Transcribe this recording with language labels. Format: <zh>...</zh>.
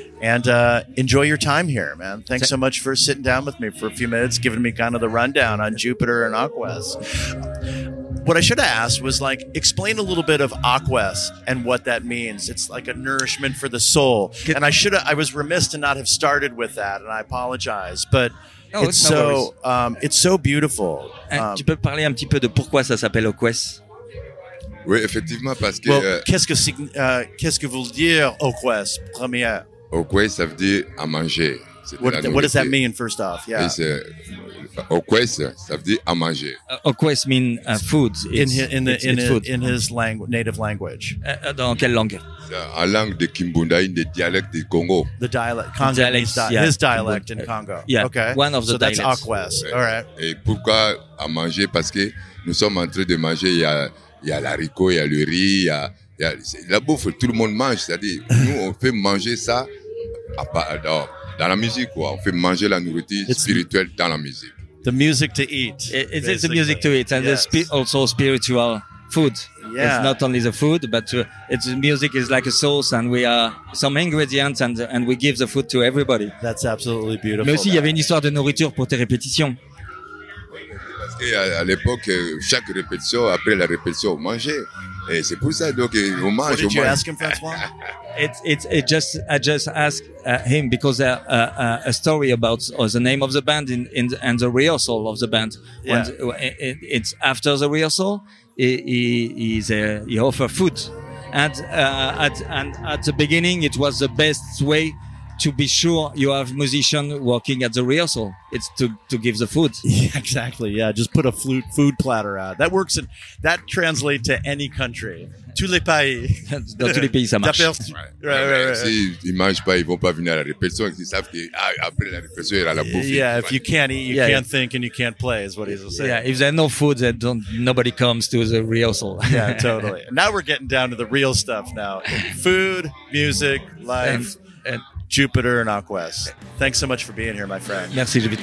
<en>And enjoy your time here, man. Thanks so much for sitting down with me for a few minutes, giving me kind of the rundown on Jupiter and AquaWest. What I should have asked was, like, explain a little bit of AquaWest and what that means. It's like a nourishment for the soul. And I should have, I was remiss to not have started with that, and I apologize, but... No, it's so it's so beautiful.</en> <fr>Tu peux parler un petit peu de pourquoi ça s'appelle AquaWest? Oui, effectivement, parce que well, qu'est-ce que vous voulez dire AquaWest première? AquaWest ça veut dire à manger.</fr> <en>What does that mean first off? Yeah.</en> <fr>AquaWest ça veut dire à manger.</fr> <en>AquaWest mean food in his language, native language.</en> <fr>Dans quelle langue? En langue de</fr> <en>Kimbunda, in the dialect of Congo. The dialect, Congo, the dialect, yeah. His dialect in Congo. Yeah. Okay. One of the so dialects. That's AquaWest. All right.</en> <fr>Et pourquoi à manger? Parce que nous sommes en train de manger. Il y a l'haricot, il y a le riz, il y a la bouffe. Tout le monde mange. C'est-à-dire, nous on fait manger ça à part, dans la musique, quoi. On fait manger la nourriture spirituelle dans la musique.</fr> <en>The music to eat. It's the music to eat, and yes. It's also spiritual. Food. Yeah. It's not only the food, but it's music is like a sauce, and we are some ingredients, and we give the food to everybody. That's absolutely beautiful.</en> <fr>Mais aussi, il y avait une histoire de nourriture pour tes répétitions. Parce que à l'époque, chaque répétition, après la répétition, on mangeait. Et c'est pour ça donc on mange.</fr> <en>What did you ask him, François? I just asked him because there a story about the name of the band in and the rehearsal of the band. Yeah. And it's after the rehearsal. He offered food, and at the beginning it was the best way to be sure you have musician working at the rehearsal. It's to give the food. Yeah, exactly. Yeah, just put a food platter out. That works. That translates to any country.</en> <fr>Tous les pays. Dans tous les pays, ça marche.</fr> <en>Right. Right.</en> <fr>S'ils mangent pas, ils vont pas venir à la répétition. Ils savent qu'après la répétition, il y aura la bouffe.</fr> <en>Yeah, if you can't eat, you can't think, and you can't play, is what he's saying. Yeah, if there's no food, nobody comes to the rehearsal. Yeah, totally. Now we're getting down to the real stuff now. Food, music, life, and Jupiter and AquaWest. Thanks so much for being here, my friend.</en> <fr>Merci,</fr>